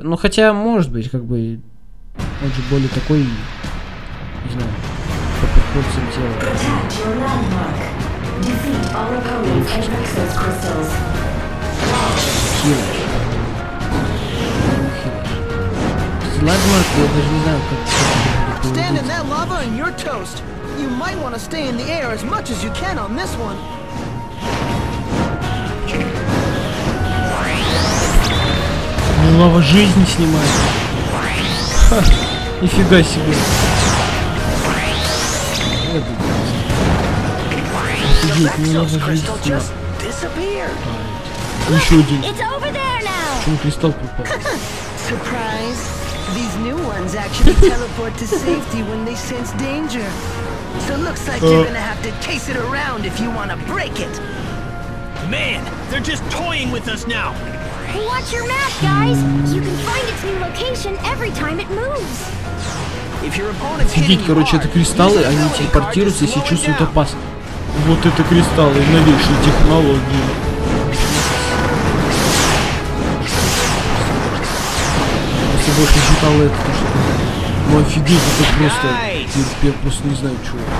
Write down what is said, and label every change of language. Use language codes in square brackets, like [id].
[ru] Ну, хотя, может быть, как бы, он же более такой, не знаю, по подходцам тела. Ладмарк, я даже не знаю, как... [en] Stand in that lava and you're toast. You might want to stay in the air as much as you can on this one. [ru] Лава жизни снимает. Ха, нифига себе. Офигеть, лава жизни снимает. Еще один. Почему кристалл пропал? [en] Surprise. These new ones actually teleport to safety when they sense danger. So looks like you're gonna have to chase it around if you want to break it. Man, they're just toying with us now. Watch your map, guys. You can find its new location every time it moves. If your opponent's hitting you hard, [ru] кристаллы, они телепортируются, если чувствуют опасность. Вот это кристаллы, новейшие технологии. Больше считал это, потому что... Ну офигеть, это просто... Я просто не знаю, что...